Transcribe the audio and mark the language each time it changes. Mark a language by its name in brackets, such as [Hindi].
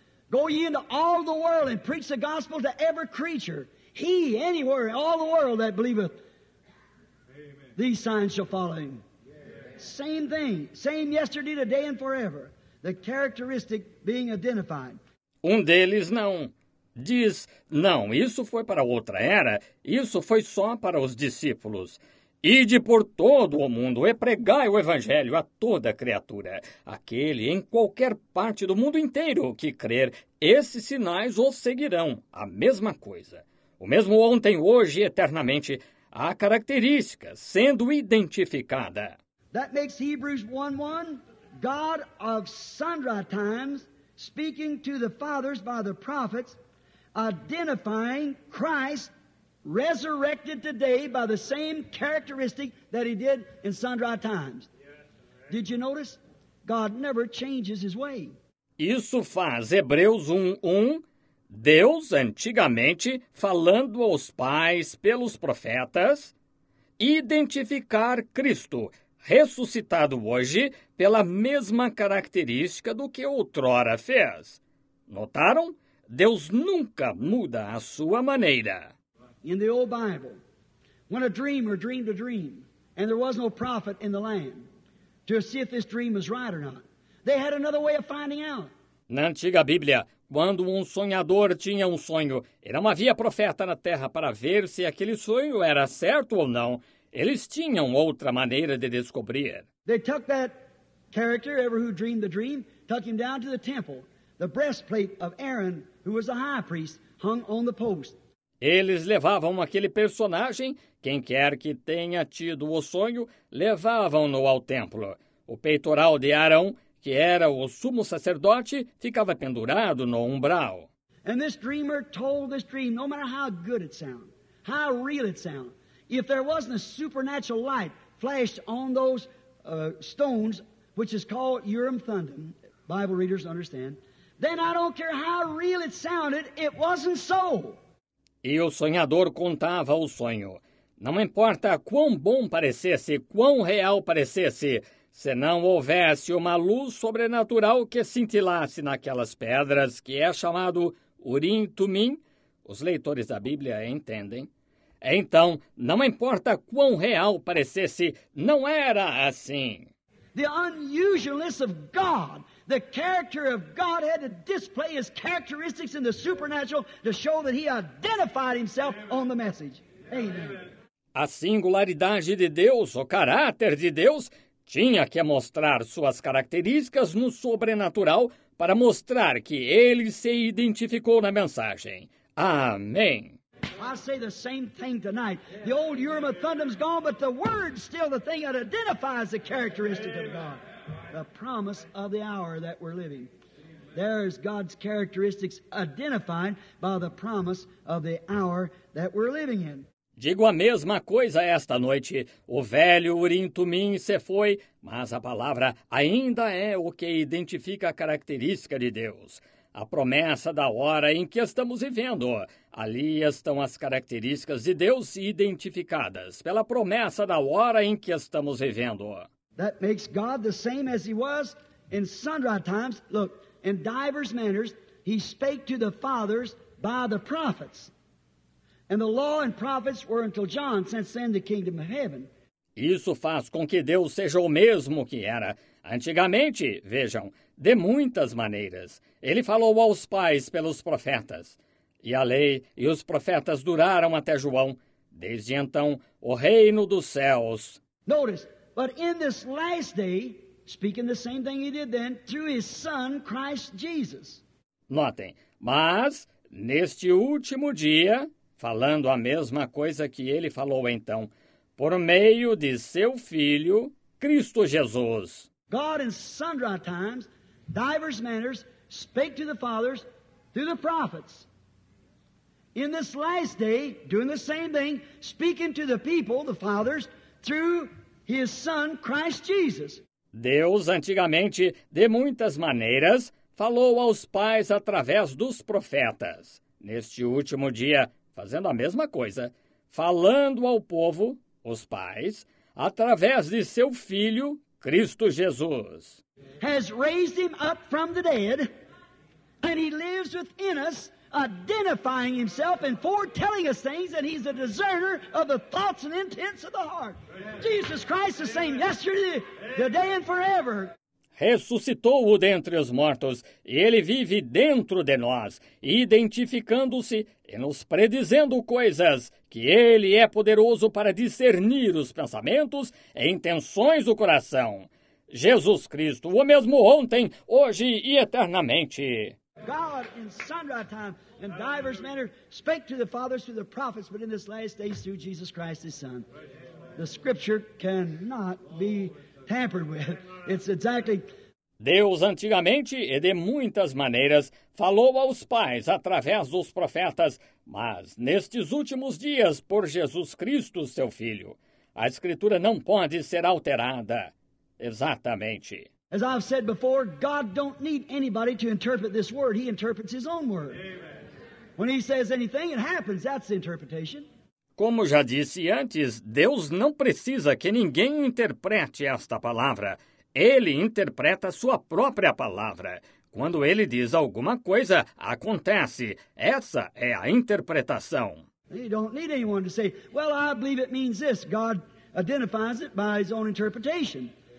[English] Go ye into all the world and preach the gospel to every creature. He, anywhere, all the world that believeth. Amen. These signs shall follow him. Yeah. Same thing, same yesterday, today and forever. The characteristic being identified. [Portuguese] Deles não. Diz, não, isso foi para outra era, isso foi só para os discípulos. Ide por todo o mundo e pregai o evangelho a toda criatura. Aquele em qualquer parte do mundo inteiro que crer, esses sinais o seguirão. A mesma coisa. O mesmo ontem, hoje e eternamente, a característica sendo identificada. [English] That makes Hebrews 1:1, God of sundry times, speaking to the fathers by the prophets, identifying Christ, resurrected today by the same characteristic that he did in sundry times. Did you notice? God never changes his way. [Portuguese] Isso faz Hebreus 1:1, Deus antigamente falando aos pais pelos profetas, identificar Cristo ressuscitado hoje pela mesma característica do que outrora fez. Notaram? Deus nunca muda a sua maneira. [English] In the old Bible, when a dreamer dreamed a dream, and there was no prophet in the land to see if this dream was right or not, they had another way of finding out. [Portuguese] Na antiga Bíblia, quando sonhador tinha sonho, e não havia profeta na terra para ver se aquele sonho era certo ou não, eles tinham outra maneira de descobrir. [English] They took that character, ever who dreamed the dream, took him down to the temple. The breastplate of Aaron, who was a high priest, hung on the post. [Portuguese] Eles levavam aquele personagem, quem quer que tenha tido o sonho, levavam-no ao templo. O peitoral de Arão, que era o sumo sacerdote, ficava pendurado no umbral. [English] And this dreamer told this dream, no matter how good it sounded, how real it sounded, if there wasn't a supernatural light flashed on those stones, which is called Urim Thummim, Bible readers understand, then I don't care how real it sounded, it wasn't so. [Portuguese] E o sonhador contava o sonho. Não importa quão bom parecesse, quão real parecesse, se não houvesse uma luz sobrenatural que cintilasse naquelas pedras, que é chamado Urim Tumim, os leitores da Bíblia entendem, Então, não importa quão real parecesse, não era assim. [English] The unusualness of God, the character of God had to display his characteristics in the supernatural to show that he identified himself on the message. Amen. [Portuguese] A singularidade de Deus, o caráter de Deus, tinha que mostrar suas características no sobrenatural para mostrar que ele se identificou na mensagem. Amém. [English] I say the same thing tonight. The old Urim and Thummim's gone, but the word's still the thing that identifies the characteristic of God. The promise of the hour that we're living. There's God's characteristics identified by the promise of the hour that we're living in. [Portuguese] Digo a mesma coisa esta noite. O velho Urim Tumim se foi, mas a palavra ainda é o que identifica a característica de Deus. A promessa da hora em que estamos vivendo. Ali estão as características de Deus identificadas pela promessa da hora em que estamos vivendo. [English] That makes God the same as he was in sundry times. Look, in divers manners, he spake to the fathers by the prophets. And the law and prophets were until John, since then the kingdom of heaven. [Portuguese] Isso faz com que Deus seja o mesmo que era antigamente, vejam, de muitas maneiras. Ele falou aos pais pelos profetas. E a lei e os profetas duraram até João. Desde então, o reino dos céus. [English] Notice, but in this last day, speaking the same thing he did then, through his son, Christ Jesus. [Portuguese] Notem, mas neste último dia, falando a mesma coisa que ele falou então, por meio de seu filho, Cristo Jesus. [English] God in sundry times, divers manners, spake to the fathers through the prophets. In this last day, doing the same thing, speaking to the people, the fathers, through his son, Christ Jesus. [Portuguese] Deus antigamente, de muitas maneiras, falou aos pais através dos profetas. Neste último dia, fazendo a mesma coisa, falando ao povo, os pais, através de seu filho, Cristo Jesus. [English] Has raised him up from the dead, and he lives within us, identifying himself and foretelling us things, and he's a discerner of the thoughts and intents of the heart. Amen. Jesus Christ, the same yesterday, today, and forever. [Portuguese] Ressuscitou-o dentre os mortos, e ele vive dentro de nós, identificando-se e nos predizendo coisas, que ele é poderoso para discernir os pensamentos e intenções do coração. Jesus Cristo, o mesmo ontem, hoje e eternamente. [English] God, in sundry time, in divers manner, spake to the fathers through the prophets, but in this last day through Jesus Christ, his Son. The scripture cannot be tampered with. It's exactly... [Portuguese] Deus antigamente e de muitas maneiras falou aos pais através dos profetas, mas nestes últimos dias por Jesus Cristo, seu Filho. A Escritura não pode ser alterada. Exatamente. [English] As I've said before, God don't need anybody to interpret this word. He interprets his own word. Amen. When he says anything, it happens. That's the interpretation. [Portuguese] Como já disse antes, Deus não precisa que ninguém interprete esta palavra. Ele interpreta sua própria palavra. Quando ele diz alguma coisa, acontece. Essa é a interpretação. [English] You don't need anyone to say, well, I believe it means this. God identifies it by his own interpretation.